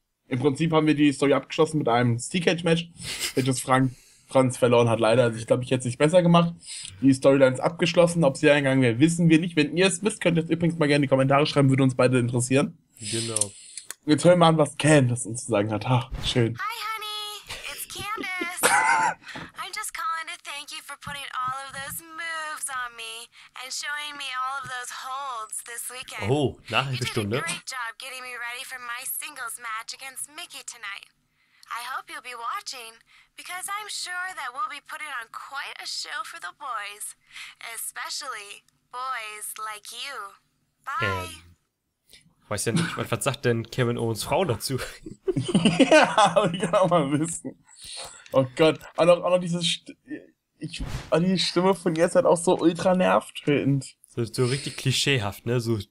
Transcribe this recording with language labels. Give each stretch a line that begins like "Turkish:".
German: Im Prinzip haben wir die Story abgeschlossen mit einem Steel-Cage-Match, welches Franz verloren hat leider. Also ich glaube, ich hätte es nicht besser gemacht. Die Storyline ist abgeschlossen. Ob sie eingegangen wäre, wissen wir nicht. Wenn ihr es wisst, könnt ihr es übrigens mal gerne in die Kommentare schreiben. Würde uns beide interessieren. Genau. Jetzt hören wir an, was Candice uns zu sagen hat. Ach, schön.
English: Hi, honey. It's Candice. I'm just calling to thank you for putting all of those moves on me and showing me all of those holds this weekend.
German: Oh, Nachhilfestunde.
English: You did a great job getting me ready for my singles match against Mickey tonight. I hope you'll be watching, because I'm sure that we'll be putting on quite a show for the boys. Especially boys like you. Bye.
German: Weiß ja nicht, was sagt denn Kevin Owens Frau dazu? Ja, ich kann auch mal wissen. Oh Gott, auch noch dieses die Stimme von ihr ist halt auch so ultra nervtötend. So richtig klischeehaft, ne? So